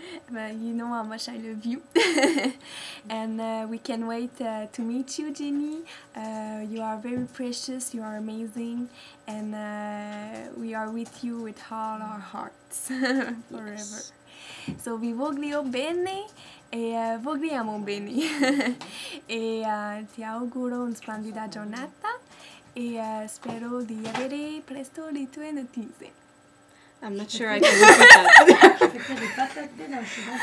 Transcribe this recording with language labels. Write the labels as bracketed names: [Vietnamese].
[English] But you know how much I love you. And we can't wait to meet you, Ginny. You are very precious, you are amazing, and we are with you with all our hearts forever. Yes. [Italian] So vi voglio bene e vogliamo bene. E ti auguro una splendida giornata e spero di avere presto le tue notizie. [English] I'm not sure I can look at that.